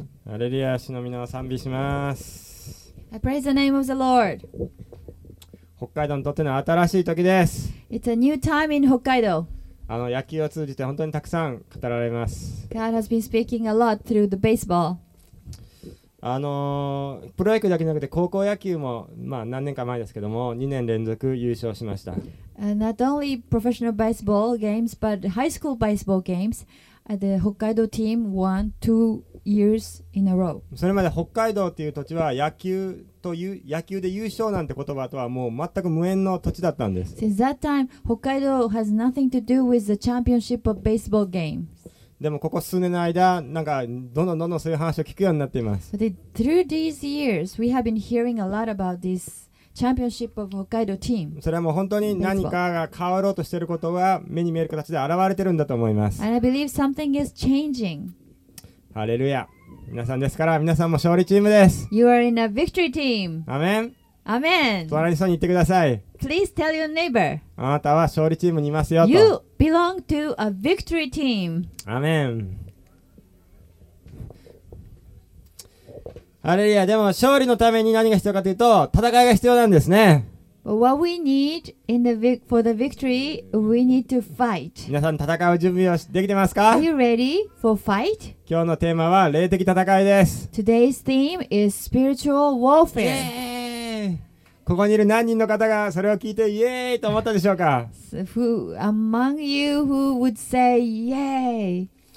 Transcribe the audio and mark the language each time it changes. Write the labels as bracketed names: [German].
[Japanese] アレリア主の皆を賛美します。 [English] I praise the name of the Lord. [Japanese] 北海道にとっての新しい時です。 [English] It's a new time in Hokkaido. [Japanese] 野球を通じて本当にたくさん語られます。 [English] God has been speaking a lot through the baseball. [Japanese] プロ野球だけじゃなくて高校野球も、何年か前ですけども2年連続優勝しました。 [English] And not only professional baseball games but high school baseball gamesThe Hokkaido team won 2 years in a row. [Japanese] それまで北海道という土地は野球という野球で優勝なんて言葉とはもう全く無縁の土地だったんです。 [English] Since that time, Hokkaido has nothing to do with the championship of baseball games. [Japanese] でもここ数年の間、なんかどんどんそういう話を聞くようになっています。 [English] But through these years, we have been hearing a lot about this. Championship of Hokkaido team. [Japanese] それはもう本当に何かが変わろうとしていることが目に見える形で現れているんだと思います。 [English] And I believe something is changing. [Japanese] ハレルヤ。皆さんですから、皆さんも勝利チームです。 [English] You are in a victory team. [Japanese] アメン。アメン。隣の人に言ってください。 [English] Please tell your neighbor. [Japanese] あなたは勝利チームにいますよと。 [English] You belong to a victory team. [Japanese] アメン。ハレルヤ。でも勝利のために何が必要かというと、戦いが必要なんですね。 [English] What we need in the for the victory, we need to fight. [Japanese] 皆さん戦う準備をできてますか？ [English] Are you ready for fight? [Japanese] 今日のテーマは霊的戦いです。 [English] Today's theme is spiritual warfare. イエーイ！ [Japanese] ここにいる何人の方がそれを聞いてイエーイと思ったでしょうか？ [English] Who among you who would say yay?